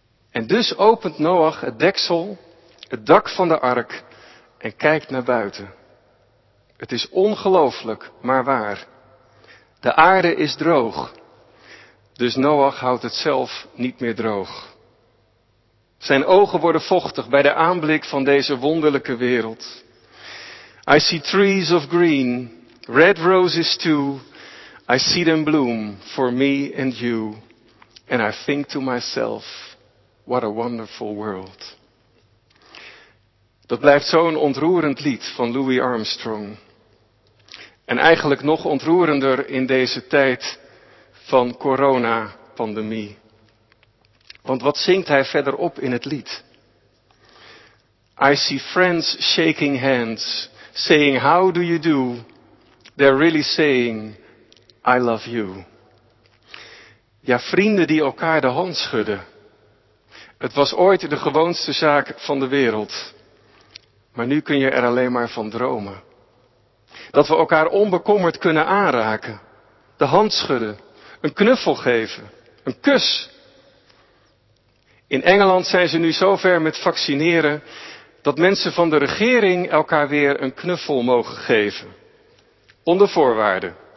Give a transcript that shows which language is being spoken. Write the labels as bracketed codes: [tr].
[nl] En dus opent Noach het deksel, het dak van de ark en kijkt naar buiten. Het is ongelooflijk, maar waar. De aarde is droog, dus Noach houdt het zelf niet meer droog. Zijn ogen worden vochtig bij de aanblik van deze wonderlijke wereld. [en] I see trees of green, red roses too. I see them bloom for me and you. And I think to myself, what a wonderful world. [nl] Dat blijft zo'n ontroerend lied van Louis Armstrong. En eigenlijk nog ontroerender in deze tijd van coronapandemie. Want wat zingt hij verderop in het lied? [en] I see friends shaking hands, saying how do you do? They're really saying, I love you. [nl] Ja, vrienden die elkaar de hand schudden. Het was ooit de gewoonste zaak van de wereld. Maar nu kun je er alleen maar van dromen. Dat we elkaar onbekommerd kunnen aanraken. De hand schudden. Een knuffel geven. Een kus. In Engeland zijn ze nu zover met vaccineren dat mensen van de regering elkaar weer een knuffel mogen geven. Onder voorwaarden.